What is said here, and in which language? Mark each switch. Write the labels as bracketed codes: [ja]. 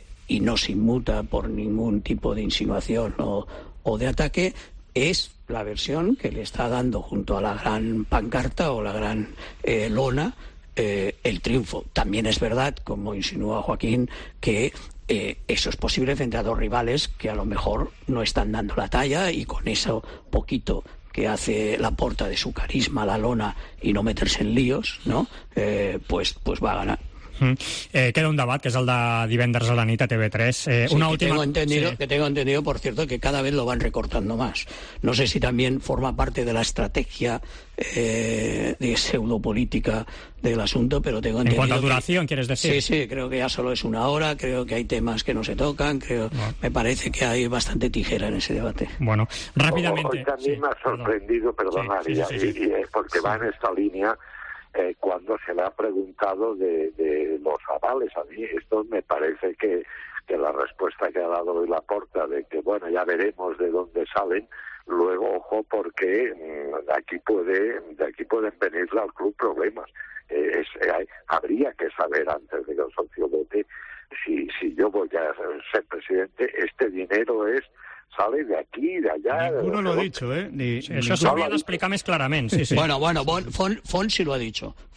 [es] y no se inmuta por ningún tipo de insinuación o de ataque, es la versión que le está dando, junto a la gran pancarta o la gran lona, el triunfo. También es verdad, como insinúa Joaquín, que eso es posible frente a dos rivales que a lo mejor no están dando la talla, y con eso poquito que hace Laporta de su carisma, la lona, y no meterse en líos, ¿no? Pues va a ganar. [ca] Queda un debat, que és el de divendres a la nit a TV3. [es] Una sí, última... que tengo entendido, por cierto, que cada vez lo van recortando más. No sé si también forma parte de la estrategia de pseudopolítica del asunto, pero tengo entendido... En cuanto a duración, que... ¿quieres decir? Sí, creo que ya solo es una hora, creo que hay temas que no se tocan, creo... Bueno. Me parece que hay bastante tijera en ese debate. Bueno, rápidamente... Hoy también sí, me ha sorprendido, perdón, porque va en esta línea... cuando se le ha preguntado de los avales, a mí esto me parece que la respuesta que ha dado hoy Laporta, de que bueno, ya veremos de dónde salen, luego ojo, porque de aquí pueden venirle al club problemas. Habría que saber antes de que el socio vote, si yo voy a ser presidente, este dinero es... sale de aquí, de allà... Ninguno lo ha dicho, [ca] Això s'hauria d'explicar més clarament, sí. [es] Bueno, Font sí lo ha dicho.